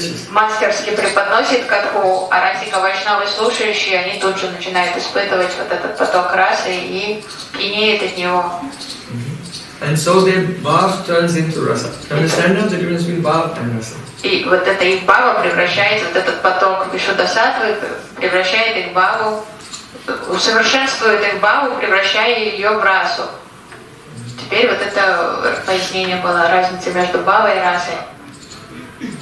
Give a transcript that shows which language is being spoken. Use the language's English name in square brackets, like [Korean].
[Russian] Мастерски преподносит катху, а расика вайшнавы слушающие, они тут же начинают испытывать вот этот поток расы и пьянеют от него. [English] And so their bhav turns into rasa. Understand now the difference between bhav and rasa. [Russian] И вот эта их бхава превращается, вот этот поток вишудасатвы превращает их бхаву, усовершенствует их бхаву, превращая ее в расу. Теперь вот это пояснение было, разница между бхавой и расой.